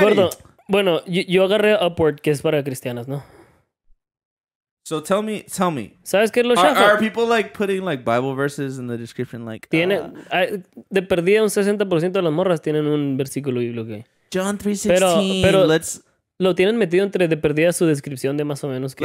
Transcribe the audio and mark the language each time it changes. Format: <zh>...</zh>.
<es>Gordo, bueno, yo agarré Upward, que es para cristianos, ¿no?</es> <en>So tell me.</en> <es>¿Sabes qué es lo chafa?</es> <en>Are people like putting like Bible verses in the description? Like,</en> <es>tiene, de perdida un 60% de las morras tienen un versículo bíblico que...</es> <en>John 3:16. Let's.</en> <es>Lo tienen metido entre de perdida su descripción de más o menos que.</es>